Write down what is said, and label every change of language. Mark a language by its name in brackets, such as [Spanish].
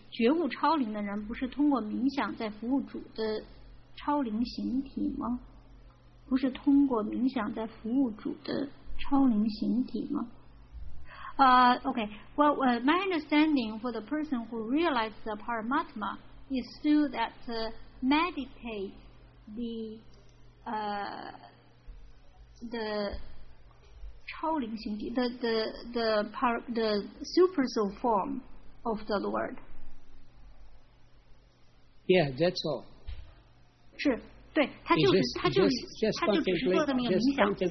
[Chinese] 觉悟超灵的人不是通过冥想在服务主的超灵形体吗？不是通过冥想在服务主的超灵形体吗？ [English] Okay. Well, my understanding for the person who realized the Paramatma is through that meditate the [Chinese] 超灵形体 [English] the super soul form of the Lord. Yeah, that's all. [Chinese] 是。对，他就是他就是他就只是做这么一个冥想。